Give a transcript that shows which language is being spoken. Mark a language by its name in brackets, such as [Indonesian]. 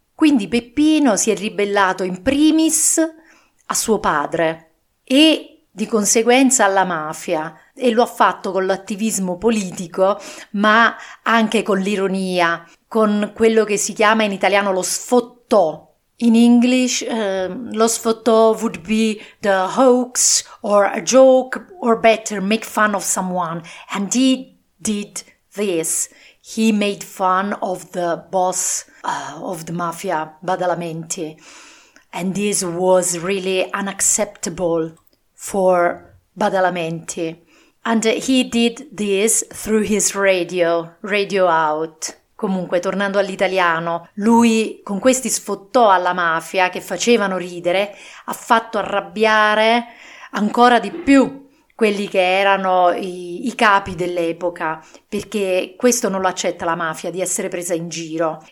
[Italian] Quindi Peppino si è ribellato in primis a suo padre e di conseguenza alla mafia, e lo ha fatto con l'attivismo politico, ma anche con l'ironia, con quello che si chiama in italiano lo sfottò. [English] In English, lo sfottò would be the hoax or a joke or better, make fun of someone. And he did this. He made fun of the boss, of the mafia, Badalamenti. And this was really unacceptable for Badalamenti. And he did this through his radio out. [Italian] Comunque, tornando all'italiano, lui con questi sfottò alla mafia che facevano ridere, ha fatto arrabbiare, ancora di più quelli che erano i capi dell'epoca, perché questo non lo accetta la mafia, di essere presa in giro.